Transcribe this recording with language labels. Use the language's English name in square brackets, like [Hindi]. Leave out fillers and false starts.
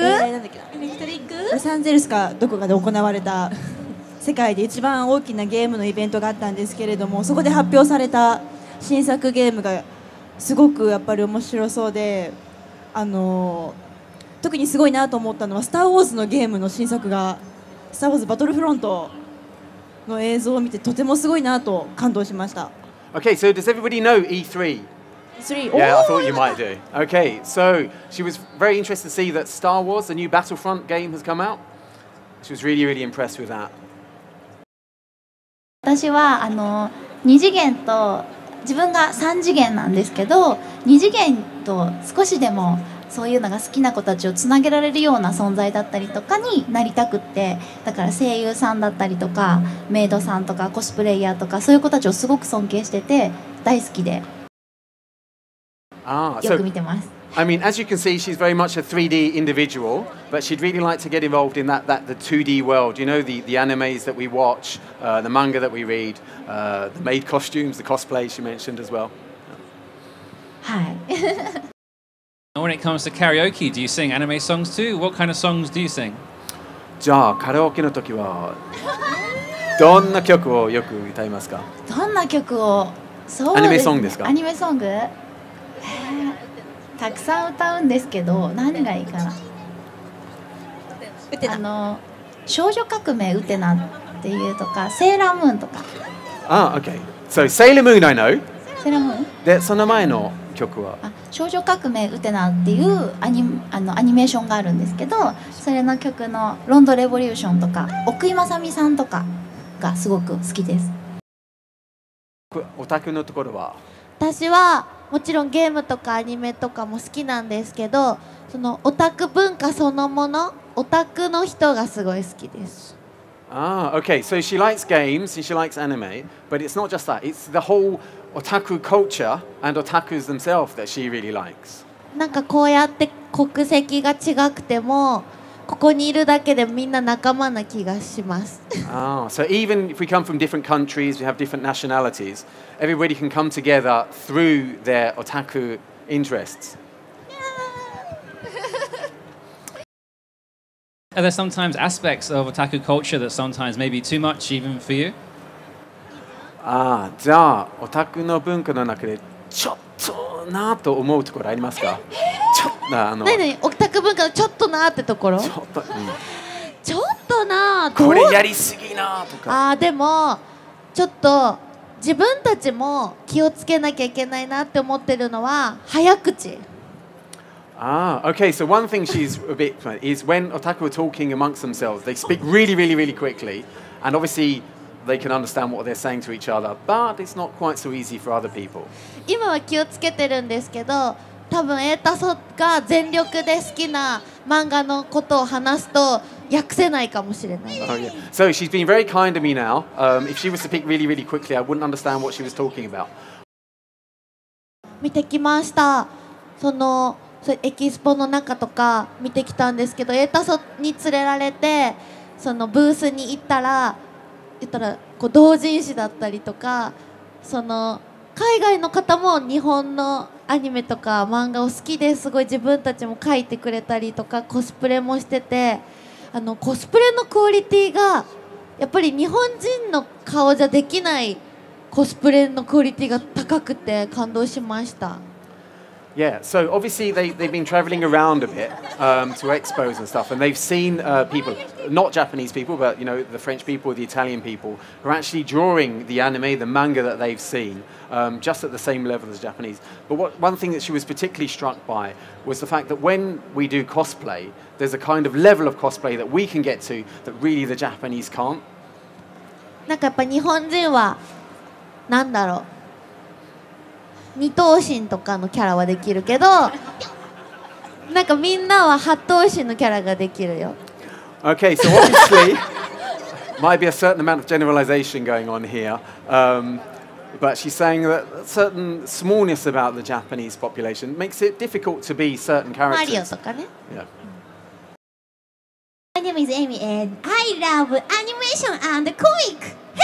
[Japanese] エレクトリックロサンゼルスかどこかで行われた世界で一番大きなゲームのイベントがあったんですけれどもそこで発表された新作ゲームがすごくやっぱり面白そうであの特にすごいなと思ったのはスターウォーズのゲームの新作がスターウォーズバトルフロントの映像を見てとてもすごいなと感動しました。 [English] Okay, so does everybody know E3? E3? Yeah, I thought you might do. Okay, so she was very interested to see that Star Wars, the new Battlefront game has come out. She was really, really impressed with that. [Japanese] 私はあの2次元と自分が3次元なんですけど、2次元と少しでもそういうのが好きな子たちをつなげられるような存在だったりとかになりたくってだから声優さんだったりとかメイドさんとかコスプレイヤーとかそういう子たちをすごく尊敬してて大好きでよく見てます、 [English] so, I mean as you can see she's very much a 3D individual but she'd really like to get involved in that the 2D world you know the animes that we watch the manga that we read the maid costumes, the cosplays you mentioned as well [Japanese] はい [English] When it comes to karaoke, do you sing anime songs too? What kind of songs do you sing? [Japanese] じゃあカラオケの時はどんな曲をよく歌いますか？どんな曲を？そうですね。アニメソングですか？アニメソング？たくさん歌うんですけど、何がいいかな？あの少女革命ウテナっていうとかセーラームーンとか。 [English] あ、ah, OK. So Sailor Moon I know. [Japanese] セーラームーン。でその前の曲は。少女革命ウテナっていうアニメーションがあるんですけどそれの曲のロンドレボリューションとか奥井雅美さんとかがすごく好きですオタクのところは私はもちろんゲームとかアニメとかも好きなんですけどそのオタク文化そのものオタクの人がすごい好きです [English] ああ、OK So she likes games and she likes anime but it's not just that it's the whole... Otaku culture and otakus themselves that she really likes. [Japanese] なんかこうやって国籍が違くてもここにいるだけでみんな仲間な気がします。 [English] Ah, so even if we come from different countries, we have different nationalities, everybody can come together through their otaku interests. Yeah. Are there sometimes aspects of otaku culture that sometimes maybe too much even for you? [Japanese] ああじゃあオタクの文化の中でちょっとなと思うところありますか？ちょっとなあの。何オタク文化のちょっとなってところ？ちょっと、うん、ちょっとなこれやりすぎなとか。ああでもちょっと自分たちも気をつけなきゃいけないなって思ってるのは早口。 [English] ああ okay so one thing she's a bit is when otaku are talking amongst themselves they speak really really really quickly and obviously. They can understand what they're saying to each other, but it's not quite so easy for other people. [Japanese] 今は気をつけてるんですけど、多分エータソが全力で好きな漫画のことを話すと訳せないかもしれない。 [English] Oh, yeah. So she's been very kind to me now. If she was to speak really, really quickly, I wouldn't understand what she was talking about. [Japanese] 見てきました。その、エキスポの中とか見てきたんですけど、エータソに連れられてそのブースに行ったら。言ったらこう同人誌だったりとかその海外の方も日本のアニメとか漫画を好きですごい自分たちも書いてくれたりとかコスプレもしててあのコスプレのクオリティがやっぱり日本人の顔じゃできないコスプレのクオリティが高くて感動しました。 [English] Yeah, so obviously they've been traveling around a bit to expos and stuff, and they've seen people, not Japanese people, but you know, the French people, the Italian people, who are actually drawing the anime, the manga that they've seen, just at the same level as Japanese. But what, one thing that she was particularly struck by was the fact that when we do cosplay, there's a kind of level of cosplay that we can get to that really the Japanese can't. [Japanese] なんかやっぱ日本人は、なんだろう?二頭身とかのキャラはできるけど、なんかみんなは八頭身のキャラができるよ。 [English] Okay, so obviously, might be a certain amount of generalization going on here, but she's saying that a certain smallness about the Japanese population makes it difficult to be certain characters. [Japanese] マリオとかね。 [English] Yeah. My name is Amy and I love animation and comic!